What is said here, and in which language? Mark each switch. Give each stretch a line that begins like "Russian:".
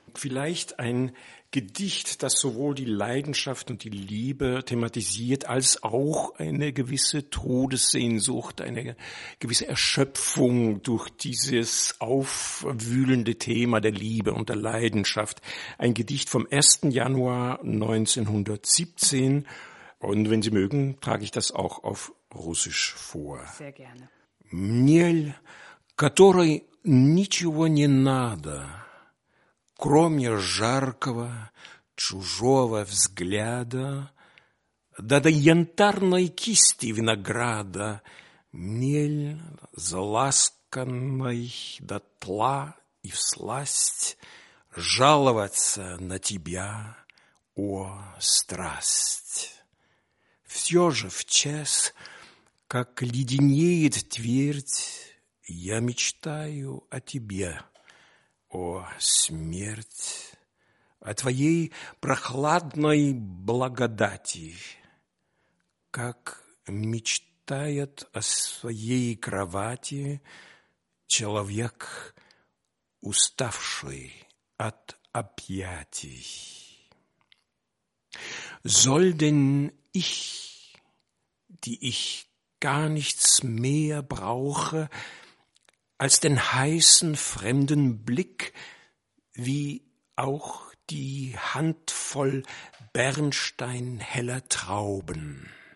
German: Vielleicht ein Gedicht, das sowohl die Leidenschaft und die Liebe thematisiert, als auch eine gewisse Todessehnsucht, eine gewisse Erschöpfung durch dieses aufwühlende Thema der Liebe und der Leidenschaft. Ein Gedicht vom 1. Januar 1917. Und wenn Sie mögen, trage ich das auch auf Russisch vor. Sehr gerne.
Russian: Мнель, которой ничего не надо, кроме жаркого чужого взгляда, да до янтарной кисти винограда, мнель заласканной до тла и всласть жаловаться на тебя, о страсть. Все же в час, как леденеет твердь, я мечтаю о тебе. О, смерть, о твоей прохладной благодати, как мечтает о своей кровати человек, уставший от объятий.
German: Soll denn ich, die ich gar nichts mehr brauche, als den heißen fremden Blick, wie auch die Handvoll bernsteinheller Trauben.